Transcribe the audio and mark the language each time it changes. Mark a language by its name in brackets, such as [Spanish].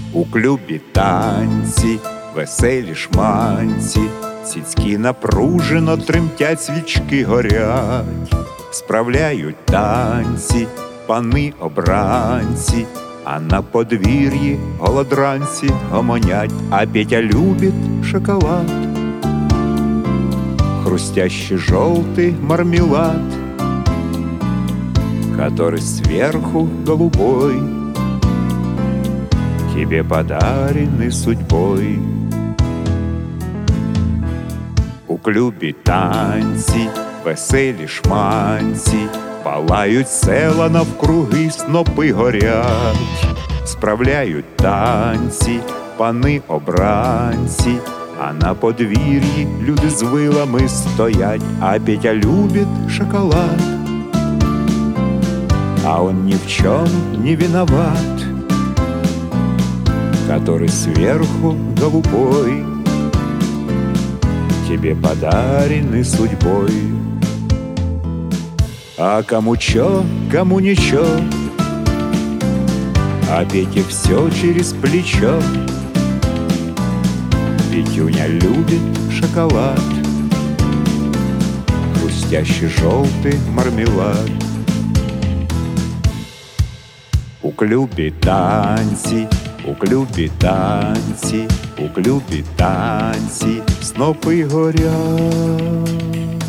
[Ukrainian] Жук любит танці, веселі шманці. Сіцькі напружено тремтять, свічки горять. Справляють танці пани-обранці, а на подвір'ї голодранці гомонять. А Петя любить шоколад, хрустящий жовтий мармелад, [Russian] который сверху голубой, тебе подаренный судьбой. [Ukrainian] У клубе танці, веселі шманці, палають села навкруги, снопи горять. Справляють танці пани-обранці, а на подвір'ї люди з вилами стоять. А Петя любить шоколад, [Russian] а он ни в чем не виноват, который сверху голубой, тебе подаренный судьбой. А кому чё, кому ничего, а Петя все через плечо. Петюня любит шоколад, хрустящий желтый мармелад. [Ukrainian] У клубе танці, у клубе танці, у клубе танці, снопи горять.